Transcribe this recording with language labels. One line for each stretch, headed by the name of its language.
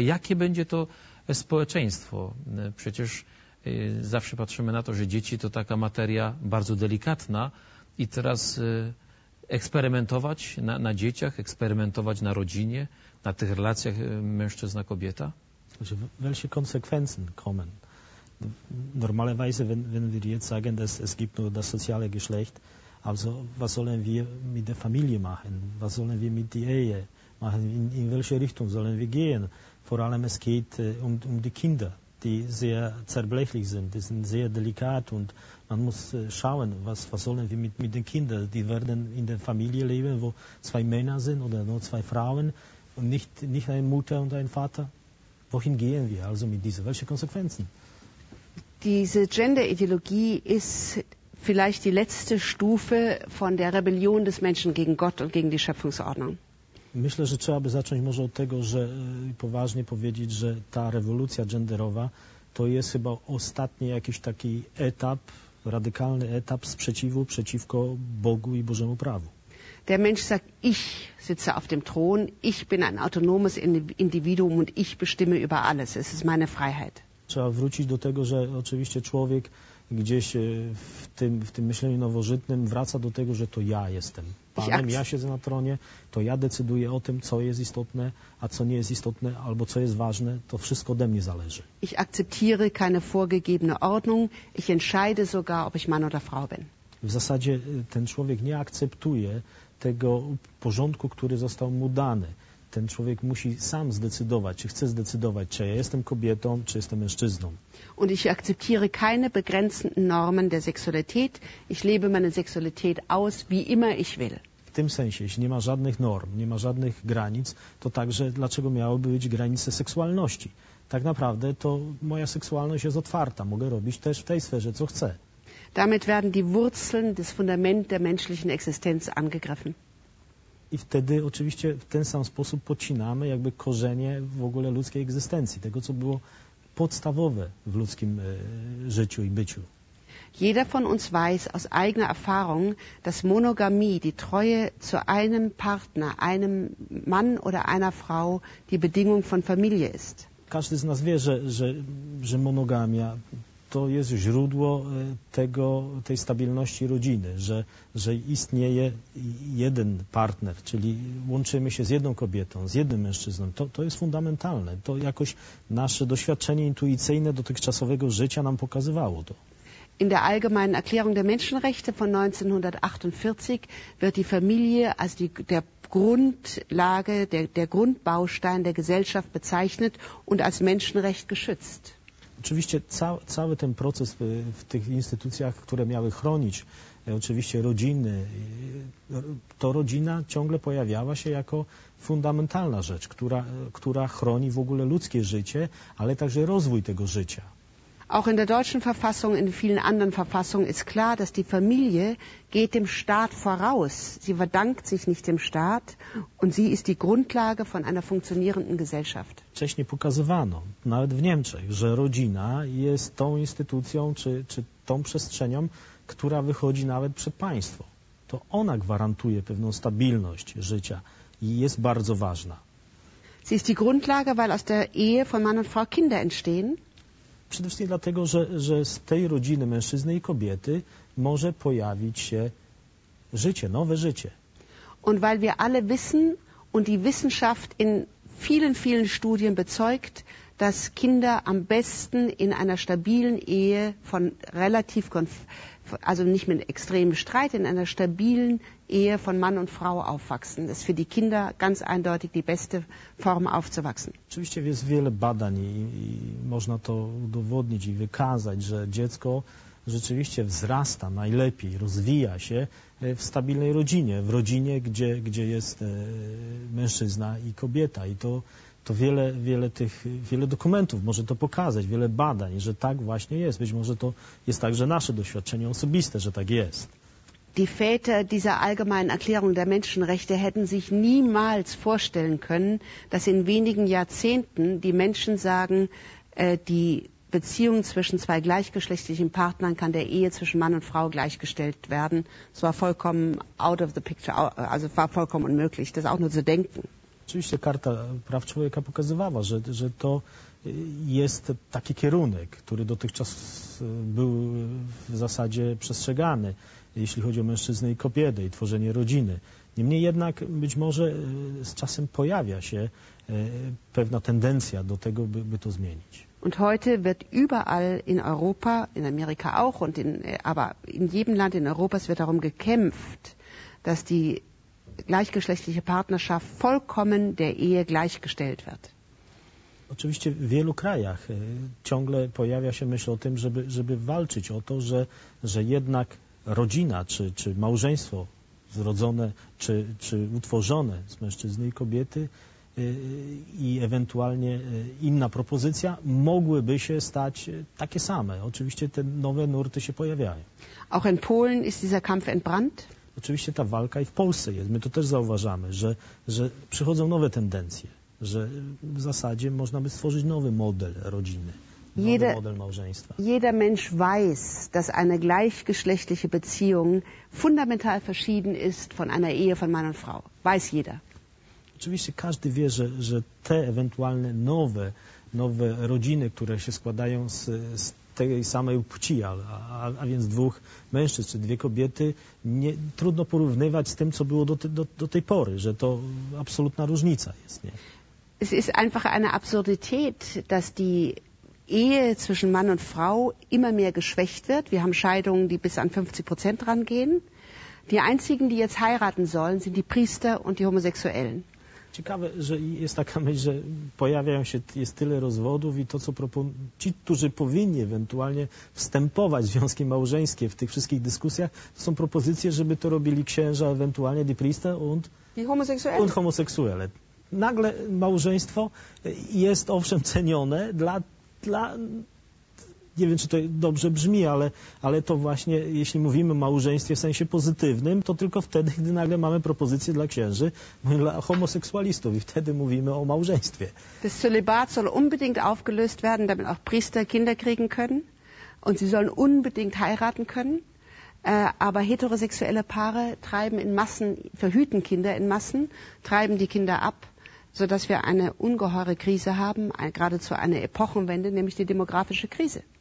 Polish: Jakie będzie to społeczeństwo? Przecież zawsze patrzymy na to, że dzieci to taka materia bardzo delikatna i teraz eksperymentować na dzieciach, eksperymentować na rodzinie, na tych relacjach mężczyzna-kobieta?
German: Also, welche Konsequenzen kommen? Normalerweise, wenn wir jetzt sagen, dass es gibt nur das soziale Geschlecht, also was sollen wir mit der Familie machen? Was sollen wir mit der Ehe machen? In welche Richtung sollen wir gehen? Vor allem es geht um die Kinder, die sehr zerbrechlich sind, die sind sehr delikat und man muss schauen, was sollen wir mit den Kindern, die werden in der Familie leben, wo zwei Männer sind oder nur zwei Frauen und nicht eine Mutter und ein Vater. Wohin gehen wir also mit dieser? Welche Konsequenzen? Diese Gender-Ideologie ist vielleicht die letzte Stufe von der Rebellion des Menschen gegen Gott und gegen die Schöpfungsordnung.
Polish: Myślę, że trzeba by zacząć może od tego, że poważnie powiedzieć, że ta rewolucja genderowa to jest chyba ostatni jakiś taki etap, radykalny etap sprzeciwu przeciwko Bogu i Bożemu prawu.
German: Der Mensch sagt, ich sitze auf dem Thron, ich bin ein autonomes Individuum und ich bestimme über alles, es ist meine Freiheit.
Polish: Trzeba wrócić do tego, że oczywiście człowiek gdzieś w tym myśleniu nowożytnym wraca do tego, że to ja jestem Panem, ja siedzę na tronie, to ja decyduję o tym, co jest istotne, a co nie jest istotne, albo co jest ważne, to wszystko ode mnie zależy.
German: Ich akzeptiere keine vorgegebene Ordnung, ich entscheide sogar, ob ich Mann oder Frau bin.
Polish: W zasadzie ten człowiek nie akceptuje tego porządku, który został mu dany. Ten człowiek musi sam zdecydować, czy chce zdecydować, czy ja jestem kobietą, czy jestem mężczyzną.
German: Und ich akzeptiere keine begrenzenden Normen der Sexualität. Ich lebe meine Sexualität aus, wie immer ich will.
Polish: W tym sensie, jeśli nie ma żadnych norm, nie ma żadnych granic, to także dlaczego miałyby być granice seksualności? Tak naprawdę to moja seksualność jest otwarta. Mogę robić też w tej sferze, co chcę.
German: Damit werden die Wurzeln des Fundament der menschlichen Existenz angegriffen.
Polish: I wtedy oczywiście w ten sam sposób pocinamy jakby korzenie w ogóle ludzkiej egzystencji, tego co było podstawowe w ludzkim życiu i byciu.
German: Jeder von uns weiß aus eigener Erfahrung, dass Monogamie, die Treue zu einem Partner, einem Mann oder einer Frau, die Bedingung von Familie ist.
Polish: Każdy z nas wie, że monogamia to jest źródło tego, tej stabilności rodziny, że istnieje jeden partner, czyli łączymy się z jedną kobietą, z jednym mężczyzną. To jest fundamentalne. To jakoś nasze doświadczenie intuicyjne dotychczasowego życia nam pokazywało to.
German: In der Allgemeinen Erklärung der Menschenrechte von 1948 wird die Familie als der Grundlage, der Grundbaustein der Gesellschaft bezeichnet und als Menschenrecht geschützt.
Polish: Oczywiście cały ten proces w tych instytucjach, które miały chronić oczywiście rodziny, to rodzina ciągle pojawiała się jako fundamentalna rzecz, która chroni w ogóle ludzkie życie, ale także rozwój tego życia.
German: Auch in der deutschen Verfassung, in vielen anderen Verfassungen ist klar, dass die Familie geht dem Staat voraus. Sie verdankt sich nicht dem Staat und sie ist die Grundlage von einer funktionierenden Gesellschaft.
Polish: Wcześniej pokazywano, nawet w Niemczech, że rodzina jest tą instytucją czy tą przestrzenią, która wychodzi nawet przed państwo. To ona gwarantuje pewną stabilność życia i jest bardzo ważna.
German: Sie ist die Grundlage, weil aus der Ehe von Mann und Frau Kinder entstehen.
Polish: Przede wszystkim dlatego, że z tej rodziny mężczyzny i kobiety może pojawić się życie, nowe życie.
German: Und weil wir alle wissen und die Wissenschaft in vielen, vielen Studien bezeugt, dass Kinder am besten in einer stabilen Ehe von relativ, also nicht mit extremem Streit, in einer stabilen Ehe von Mann und Frau aufwachsen. Das ist für die Kinder ganz eindeutig die beste Form aufzuwachsen.
Polish: Oczywiście jest wiele badań i można to udowodnić i wykazać, że dziecko rzeczywiście wzrasta najlepiej, rozwija się w stabilnej rodzinie, w rodzinie, gdzie jest mężczyzna i kobieta. I to wiele dokumentów może to pokazać, wiele badań, że tak właśnie jest. Być może to jest także nasze doświadczenie osobiste, że tak jest.
German: Die Väter dieser allgemeinen Erklärung der Menschenrechte hätten sich niemals vorstellen können, dass in wenigen Jahrzehnten die Menschen sagen, die Beziehung zwischen zwei gleichgeschlechtlichen Partnern kann der Ehe zwischen Mann und Frau gleichgestellt werden. Es war vollkommen
English: out of the picture,
German: also war vollkommen unmöglich, das auch nur zu denken.
Polish: Oczywiście Karta Praw Człowieka pokazywała, że to jest taki kierunek, który dotychczas był w zasadzie przestrzegany, jeśli chodzi o mężczyznę i kobietę i tworzenie rodziny. Niemniej jednak być może z czasem pojawia się pewna tendencja do tego, by to zmienić.
German: Und heute wird überall in Europa, in Amerika auch, und aber in jedem Land in Europa wird darum gekämpft, dass die gleichgeschlechtliche Partnerschaft vollkommen der Ehe gleichgestellt wird.
Polish: Oczywiście w wielu krajach ciągle pojawia się myśl o tym, żeby walczyć o to, że jednak rodzina czy małżeństwo zrodzone czy utworzone z mężczyzny i kobiety i ewentualnie inna propozycja mogłyby się stać takie same. Oczywiście te nowe nurty się pojawiają.
German: Auch in Polen ist dieser Kampf entbrannt.
Polish: Oczywiście ta walka i w Polsce jest. My to też zauważamy, że przychodzą nowe tendencje, że w zasadzie można by stworzyć nowy model rodziny, nowy model małżeństwa.
German: Jeder Mensch weiß, dass eine gleichgeschlechtliche Beziehung fundamental verschieden ist von einer Ehe von Mann und Frau. Weiß jeder.
Polish: Oczywiście każdy wie, że te ewentualne nowe rodziny, które się składają z tej samej płci, a więc dwóch mężczyzn czy dwie kobiety, nie, trudno porównywać z tym, co było do tej pory, że to absolutna różnica jest. Nie?
German: Es ist einfach eine Absurdität, dass die Ehe zwischen Mann und Frau immer mehr geschwächt wird. Wir haben Scheidungen, die bis an 50% rangehen. Die einzigen, die jetzt heiraten sollen, sind die Priester und die Homosexuellen.
Polish: Ciekawe, że jest taka myśl, że pojawiają się, jest tyle rozwodów i to, co proponują ci, którzy powinni ewentualnie wstępować w związki małżeńskie w tych wszystkich dyskusjach, to są propozycje, żeby to robili księża, ewentualnie
German: die Priester und
Polish: homoseksuele. Nagle małżeństwo jest owszem cenione dla nie wiem, czy to dobrze brzmi, ale to właśnie, jeśli mówimy o małżeństwie w sensie pozytywnym, to tylko wtedy, gdy nagle mamy propozycję dla księży, dla homoseksualistów i wtedy mówimy o małżeństwie.
German: Das Zölibat soll unbedingt aufgelöst werden, damit auch Priester Kinder kriegen können. und sie sollen unbedingt heiraten können. Aber heterosexuelle Paare treiben in Massen, verhüten Kinder in Massen, treiben die Kinder ab, sodass wir eine ungeheure Krise haben, geradezu eine Epochenwende, nämlich die demografische Krise.